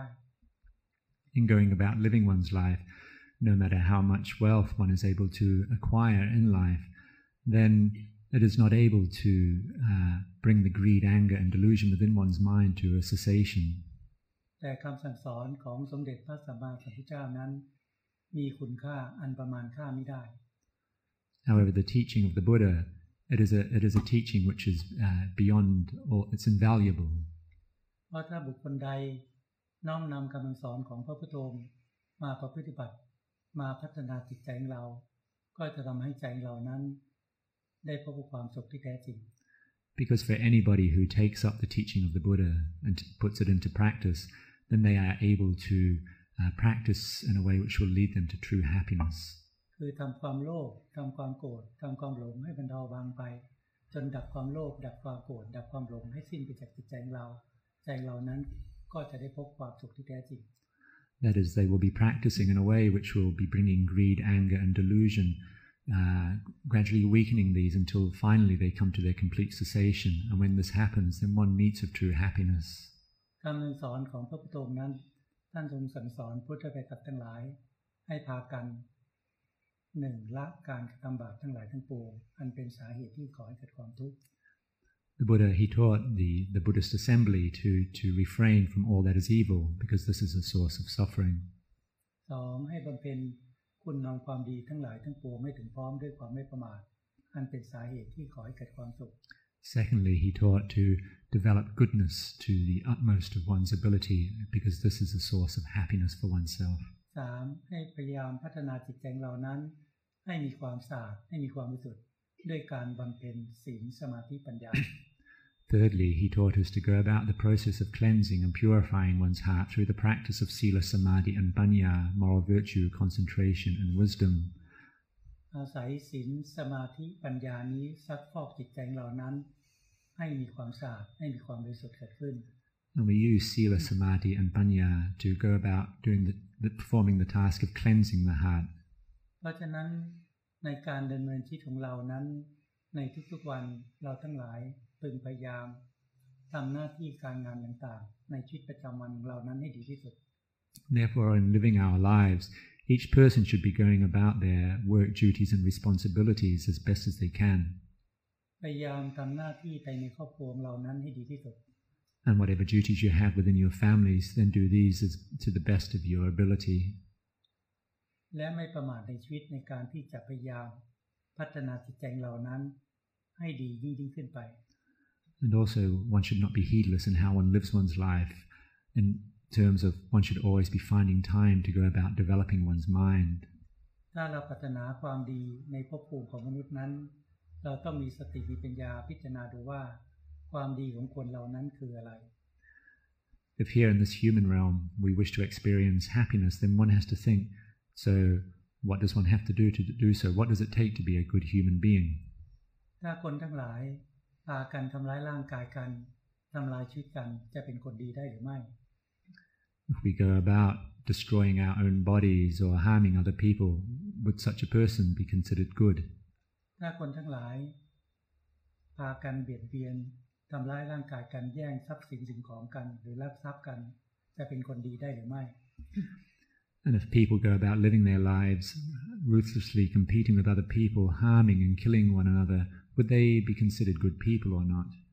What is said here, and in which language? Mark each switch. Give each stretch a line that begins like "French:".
English: In going about living one's life no matter how much wealth one is able to acquire in life then it is not able to bring the greed anger and delusion within one's mind to a cessation
Thai: แต่คำสั่งสอนของสมเด็จพระสัมมาสัมพุทธเจ้านั้นมีคุณค่าอันประมาณค่าไม่ได้
English: However, the teaching of the Buddha, it is a teaching which is beyond all, it's invaluable.
Thai: เพราะถ้าบุคคลใดน้อมนำคำสอนของพระพุทธองค์มาประพฤติปฏิบัติมาพัฒนาจิตใจของเราก็จะทำให้ใจของเรานั้นได้พบความสุขที่แท้จริง
English: Because for anybody who takes up the teaching of the Buddha and puts it into practice, then they are able to practice in a way which will lead them to true happiness.
Thai: คือทำความโลภทำความโกรธทำความหลงให้บรรเทาบางไปจนดับความโลภดับความโกรธดับความหลงให้สิ้นไปจากจิตใจของเราใจเรานั้นก็จะได้พบความสุขที่แท้จริง
English: That is they will be practicing in a way which will be bringing greed anger and delusion gradually weakening these until finally they come to their complete cessation and when this happens then one meets of true happiness
Thai: คำสอนของพระพุทธองค์นั้นท่านทรงสั่งสอนพุทธบริษัททั้งหลายให้พากัน1ละการกระทำบาปทั้งหลายทั้งปวงอันเป็นสาเหตุที่ก่อให้เกิดความทุกข์
English: The Buddha he taught the Buddhist assembly to refrain from all that is evil because this is a source of suffering
Thai: 2ให้บำเพ็ญคุณงามความดีทั้งหลายทั้งปวงให้ถึงพร้อมด้วยความไม่ประมาทอันเป็นสาเหตุที่ก่อให้เกิดความสุข
English: Secondly he taught to develop goodness to the utmost of one's ability because this is a source of happiness for oneself
Thai: 3ให้พยายามพัฒนาจิตใจเรานั้นให้มีความสะอาดให้มีความบริสุทธิ์ด้วยการบำเพ็ญศีลสมาธิปัญญา
English: Thirdly he taught us to go about the process of cleansing and purifying one's heart through the practice of sila samadhi and panya moral virtue concentration and wisdom
Thai: อาศัยศีลสมาธิปัญญานี้ซักฟอกจิตใจเรานั้นให้มีความสะอาดให้มีความบริสุทธิ์เกิดขึ้น
English: And we use sila samadhi and panya to go about doing the performing the task of cleansing the heart
Thai: เพราะฉะนั้นในการดำเนินชีวิตของเรานั้นในทุกๆวันเราทั้งหลายพึงพยายามทำหน้าที่การงานต่างๆในชีวิตประจำวันเรานั้นให้ดีที่สุด
English: Therefore, in living our lives, each person should be going about their work duties and responsibilities as best as they can.
Thai: พยายามทำหน้าที่ในครอบครัวของเรานั้นให้ดีที่สุด
English: And whatever duties you have within your families, then do these as to the best of your ability.
Thai: และไม่ประมาทในชีวิตในการที่จะพยายามพัฒนาจิตใจเหล่านั้นให้ดียิ่งขึ้นไป
English: And also one should not be heedless in how one lives one's life in terms of one should always be finding time to go about developing one's mind
Thai: ถ้าเราพัฒนาความดีในภพภูมิของมนุษย์นั้นเราต้องมีสติมีปัญญาพิจารณาดูว่าความดีของคนเหล่านั้นคืออะไร
English: If here in this human realm we wish to experience happiness then one has to thinkSo, what does one have to do so? What does it take to be a good human being?
Thai: ถ้าคนทั้งหลายพากันทำร้ายร่างกายกันทำลายชีวิตกันจะเป็นคนดีได้หรือไม่
English: If we go about destroying our own bodies or harming other people, would such a person be considered good?
Thai: ถ้าคนทั้งหลายพากันเบียดเบียนทำร้ายร่างกายกันแย่งทรัพย์สินสิ่งของกันหรือลักทรัพย์กันจะเป็นคนดีได้หรือไม่
English: And if people go about living their lives ruthlessly competing with other people, harming and killing one another, would they be considered good people or not?